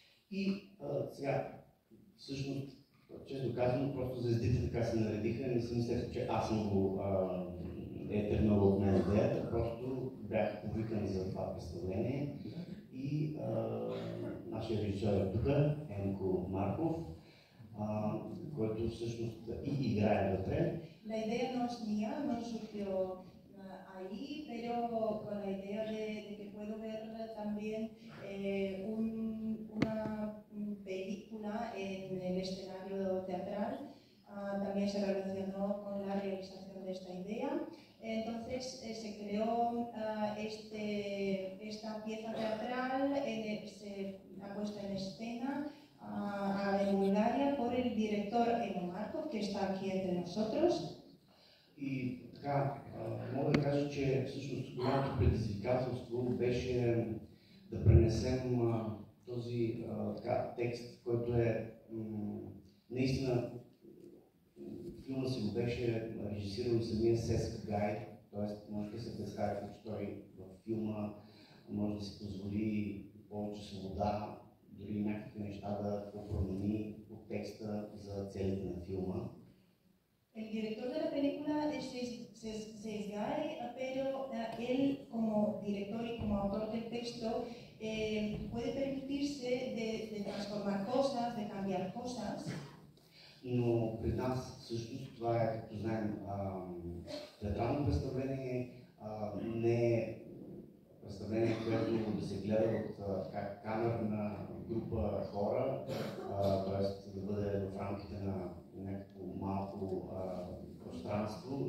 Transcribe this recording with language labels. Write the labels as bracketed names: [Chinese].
[Bulgarian] И сега, всъщност, честно казвам, просто звездите така се наредиха и не съм мислех, че аз много е тръгнал от мен идеята, просто бях повикан за това представление и нашия режисьор е тук, Енко Марков, който всъщност и играе вътре. [Spanish] La idea no es mía, no surgió ahí, pero con la idea de que puedo ver también una película en el escenario teatral, también se relacionó con la realización de esta idea. Entonces se creó esta pieza teatral, se ha puesto en escena a Emulgaria por el director Eno Marco, que está aquí entre nosotros. [Bulgarian] Y така, мога да кажа, че всъщност голямото предизвикателство беше да пренесем този текст, който е наистина филмът си го беше режисирал самия Сеск Гай, т.е. може да се представя, че той в филма може да си позволи повече свобода, дори някакви неща да промени от текста за целите на филма. [Spanish] El director de la película es Cesc Gay, pero él como director y como autor del texto puede permitirse de transformar cosas, de cambiar cosas. [Bulgarian] Но при нас всъщност това е, както знаем, театрално представление, не е представление, което да се гледа от камерна група хора, т.е. да бъде в рамките на някакво малко пространство.